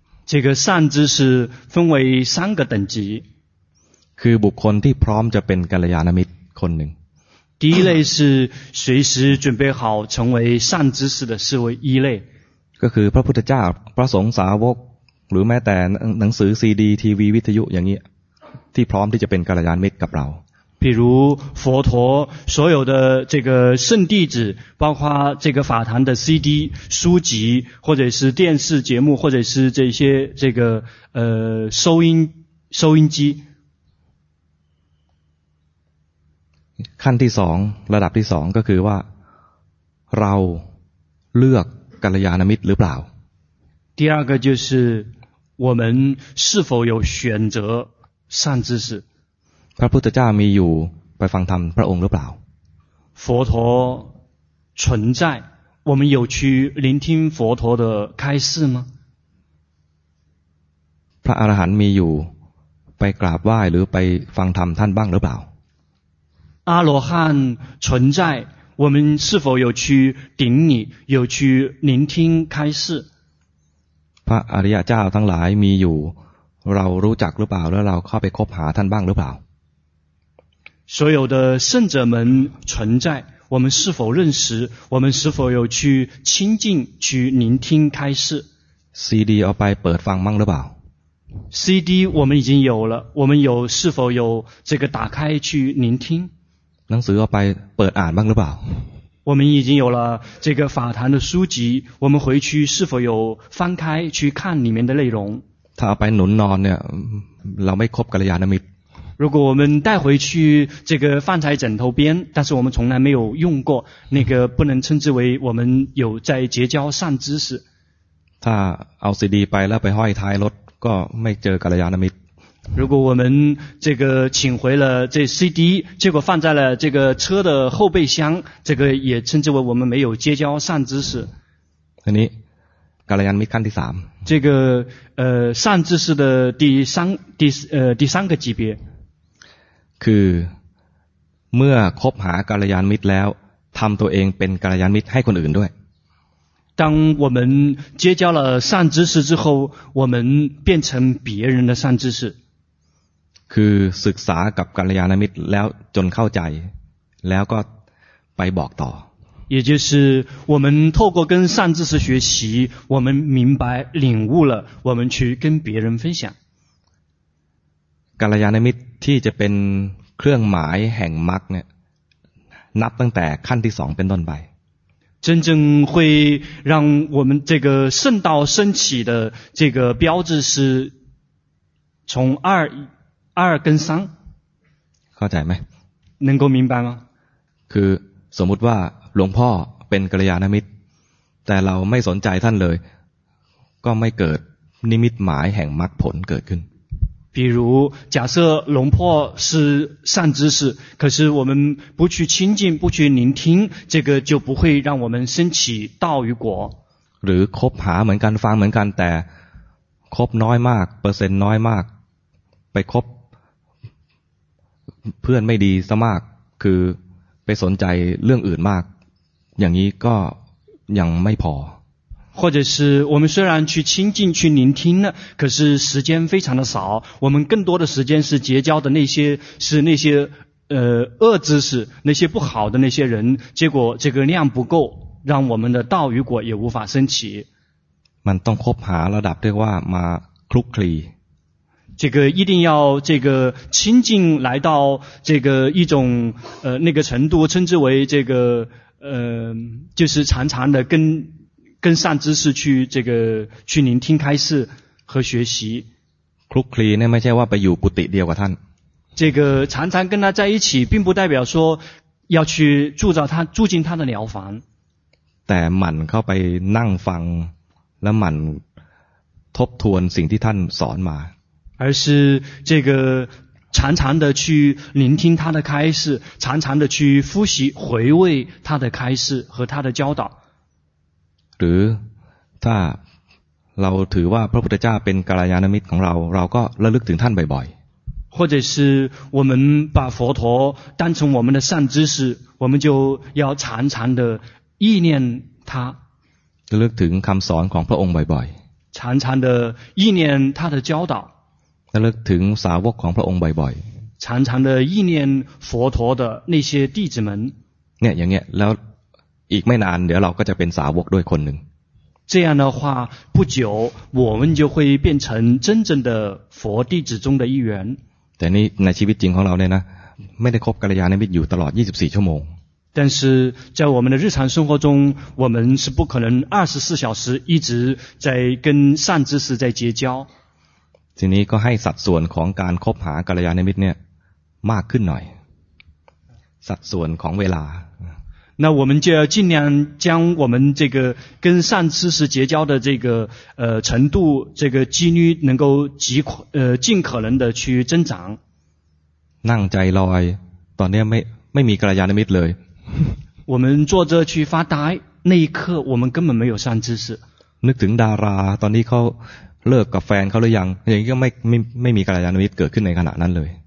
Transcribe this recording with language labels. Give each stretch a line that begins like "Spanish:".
Chinese: 这个善知识分为三个等级
Thai: คือบุคคลที่พร้อมจะเป็นกัลยาณมิตรคนหนึ่ง
Chinese: 第一类是随时准备好成为善知识的是为一类
Thai: ก็คือพระพุทธเจ้าพระสงฆ์สาวกหรือแม้แต่หนังสือซีดีทีวีวิทยุอย่างนี้ที่พร้อมที่จะเป็นกัลยาณมิตรกับเรา
Chinese: 譬如佛陀所有的这个圣弟子包括这个法坛的 CD 书籍或者是电视节目或者是这些这个收音机
Thai: ขั้นที่สองระดับที่สองก็คือว่าเราเลือกกัลยาณมิตรหรือเปล่า
Chinese: 第二个就是我们是否有选择善知识
Thai: พระพุทธเจ้ามีอยู่ไปฟังธรรมพระองค์หรือเปล่า
Chinese: 佛陀存在我们有去聆听佛陀的开示吗
Thai: พระอรหันต์มีอยู่ไปกราบไหว้หรือไปฟังธรรมท่านบ้างหรือเปล่า
Chinese: 阿罗汉存在我们是否有去顶礼有去聆听开示
Thai: พระอริยเจ้าทั้งหลายมีอยู่เรารู้จักหรือเปล่าแล้วเราเข้าไปคบหาท่านบ้างหรือเปล่า
Chinese: 所有的圣者们存在我们是否认识我们是否有去亲近去聆听开示
Thai: CD เอาไปเปิดฟังบ้างหรือเปล่า
Chinese: CD 我们已经有了我们有是否有这个打开去聆听
Thai: หนังสือเอาไปเปิดอ่านบ้างหรือเปล่า
Chinese: 我们已经有了这个法坛的书籍我们回去是否有翻开去看里面的内容他
Thai: ไปหนุนนอนเนี่ยเราไม่ครบกัลยาณมิตร
Chinese: 如果我们带回去这个饭菜枕头边但是我们从来没有用过那个不能称之为我们有在结交善知识他
Thai: เอา CD ไปแล้วไปห้อยท้ายรถก็ไม่เจอกัลยาณมิตร
Chinese: 如果我们这个请回了这 CD 结果放在了这个车的后备箱这个也称之为我们没有结交善知识
Thai: อันนี้กัลยาณมิตรขั้นที่3
Chinese: 这个善知识的第三个级别
Thai: คือเมื่อคบหากัลยาณมิตรแล้วทำตัวเองเป็นกัลยาณมิตรให้คนอื่นด้วย
Chinese: 当我们结交了善知识之后，我们变成别人的善知识。
Thai: คือศึกษากับกัลยาณมิตรแล้วจนเข้าใจแล้วก็ไปบอกต่อ
Chinese: 也就是我们透过跟善知识学习，我们明白领悟了，我们去跟别人分享。
Thai: กัลยาณมิตรที่จะเป็นเครื่องหมายแห่งมรรคเนี่ยนับตั้งแต่ขั้นที่สองเป็นต้นไป
Chinese: 真正会让我们这个圣道升起的这个标志是从二跟三。
Thai: เข้าใจไหม
Chinese: 能够明白吗
Thai: คือสมมติว่าหลวงพ่อเป็นกัลยาณมิตรแต่เราไม่สนใจท่านเลยก็ไม่เกิดนิมิตหมายแห่งมรรคผลเกิดขึ้น
Chinese: 比如假设龙破是善知识可是我们不去亲近不去聆听这个就不会让我们升起道与果
Thai: หรือคบหาเหมือนกันฟังเหมือนกันแต่คบน้อยมากเปอร์เซ็นต์น้อยมากไปคบเพื่อนไม่ดีซะมากคือไปสนใจเรื่องอื่นมากอย่างนี้ก็ยังไม่พอ
Chinese: 或者是我们虽然去亲近去聆听了可是时间非常的少我们更多的时间是结交的那些恶知识那些不好的那些人结果这个量不够让我们的道与果也无法升起
Thai: มันต้องคบหาระดับที่ว่ามาคลุกคลี
Chinese: 这个一定要这个亲近来到这个一种那个程度称之为这个就是常常的跟善知识去这个去聆听开示和学习
Thai: คลุกคลีเนี่ยไม่ใช่ว่าไปอยู่กุฏิเดียวกับท่าน
Chinese: 这个常常跟他在一起并不代表说要去住着他住进他的寮房
Thai: แต่หมั่นเข้าไปนั่งฟังและหมั่นทบทวนสิ่งที่ท่านสอนมา
Chinese: 而是这个常常的去聆听他的开示常常的去复习回味他的开示和他的教导
Thai: หรือถ้าเราถือว่าพระพุทธเจ้าเป็นกัลยาณมิตรของเราเราก็ระลึกถึงท่านบ่อย
Chinese: ๆ或者是我们把佛陀当成我们的善知识我们就要常常的忆念他
Thai: ระลึกถึงคำสอนของพระองค์บ่อย
Chinese: ๆ常常的忆念他的教导
Thai: ระลึกถึงสาวกของพระองค์บ่อย
Chinese: ๆ常常的忆念佛陀的那些弟子们
Thai: เนี่ยอย่างเงี้ยแล้วอีกไม่นานเดี๋ยวเราก็จะเป็นสาวกด้วยคนหนึ่ง
Chinese: 这样的话不久我们就会变成真正的佛弟子中的一员
Thai: แต่นี่ในชีวิตจริงของเราเนี่ยนะไม่ได้คบกัลยาณมิตรอยู่ตลอด24ชั่วโมง
Chinese: 但是在我们的日常生活中我们是不可能24小时一直在跟善知识在结交
Thai: ทีนี้ก็ให้สัดส่วนของการคบหากัลยาณมิตรเนี่ยมากขึ้นหน่อยสัดส่วนของเวลา
Chinese: 那我们就要尽量将我们这个跟善知识结交的这个程度这个几率能够尽可能的去增长
Thai: นั่งใจลอยตอนนี้ไม่มีกัลยาณมิตรเลย
Chinese: 我们坐着去发呆那一刻我们根本没有善知识
Thai: นึกถึงดาราตอนนี้เขาเลิกกับแฟนเขาหรือยังอย่างนี้ก็ไม่มีกัลยาณมิตรเกิดขึ้นในขณะนั้นเลย